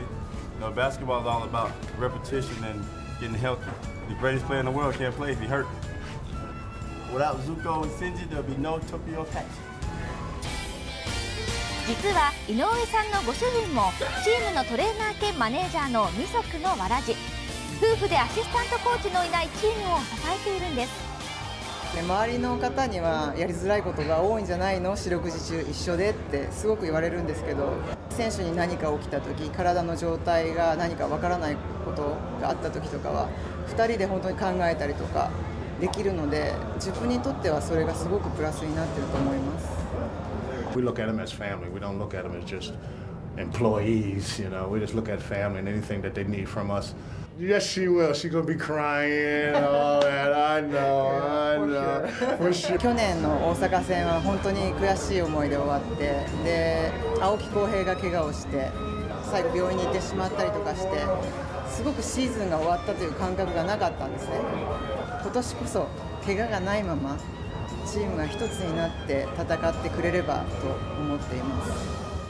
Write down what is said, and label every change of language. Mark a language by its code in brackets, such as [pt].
[en] You know, basketball is all about repetition and getting healthy. The greatest player in the world can't play if he hurt. Without Zuko and Shinji, there'll be no Tokyo Catch. [ja] 実は井上さんのご主人もチームのトレーナー兼マネージャーの二足のわらじ、夫婦でアシスタントコーチのいないチームを支えているんです。で、周りの方にはやりづらいことが多いんじゃないの、四六時中一緒でってすごく言われるんですけど、選手に何か起きた時、体の状態が何かわからないことがあった時とかは2人で本当に考えたりとかできるので、自分にとってはそれがすごくプラスになっていると思います。 [en] We look at them as family. We don't look at them as just employees, you know. We just look at family and anything that they need from us. Yes, she will. She's going to be crying and all that. I know, I know. For sure. [ja] 去年の大阪戦は本当に悔しい思いで終わって、で、青木浩平が怪我をして、最後病院に行ってしまったりとかして、すごくシーズンが終わったという感覚がなかったんですね。今年こそ怪我がないまま、チームが一つになって戦ってくれればと思っています。